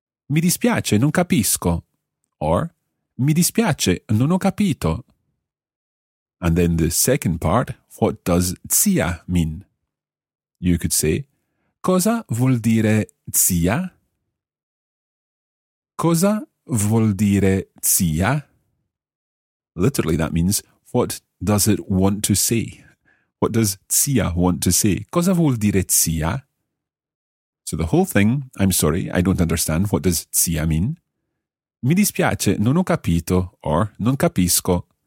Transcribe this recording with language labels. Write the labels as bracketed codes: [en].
[it] Mi dispiace, non capisco, or mi dispiace, non ho capito. [en] And then the second part, what does zia mean? You could say, [it] cosa vuol dire zia? Cosa vuol dire zia? [en] Literally, that means, what does it want to say? What does zia want to say? [it] Cosa vuol dire zia? [en] So the whole thing, I'm sorry, I don't understand, what does zia mean? [it] Mi dispiace, non ho capito, or non capisco.